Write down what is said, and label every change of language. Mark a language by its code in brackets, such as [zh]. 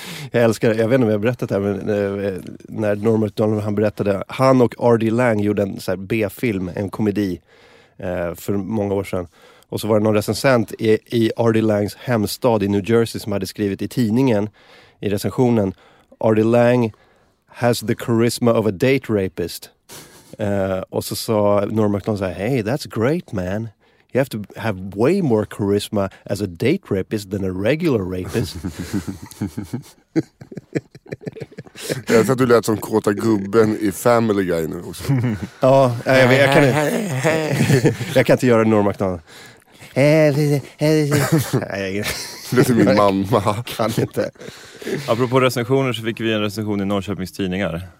[sv] Jag älskar, jag vet inte om jag har berättat det här, men när Norm Macdonald, han berättade, han och R.D. Lang gjorde en så här B-film, en komedi, för många år sedan. Och så var det någon recensent i R.D. Langs hemstad i New Jersey som hade skrivit i tidningen, i recensionen, R.D. [en] Lang has the charisma of a date rapist. [sv] Och så sa Norm Macdonald så här, [en] hey, that's great man. You have to have way more charisma as a date rapist than a regular rapist. [sv] Jag tror att du lät som kåta gubben i Family Guy nu också. Ja, jag kan inte göra Norm Macdonald. Det är min mamma. Kan inte. Apropå recensioner så fick vi en recension i Norrköpings tidningar.